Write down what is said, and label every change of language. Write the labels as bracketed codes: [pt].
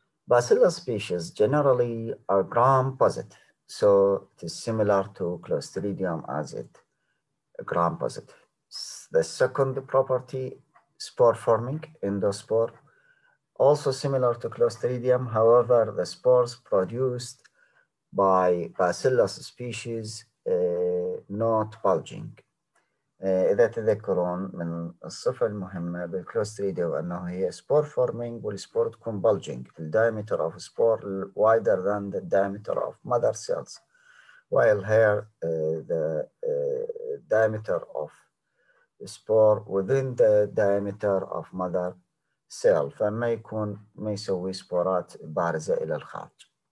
[en] Bacillus species generally are gram positive, so it is similar to Clostridium as it gram positive. The second property, spore forming, endospore, also similar to Clostridium. However, the spores produced by Bacillus species not bulging. [ar] إذا تذكرون من الصفة المهمة بالكلوستريديا أنه هي spore forming والspore تكون bulging. [en] The diameter of spore wider than the diameter of mother cells. While here the diameter of spore within the diameter of mother cell. [ar] فما يكون ما يسوي سبورات بارزة إلى الخارج.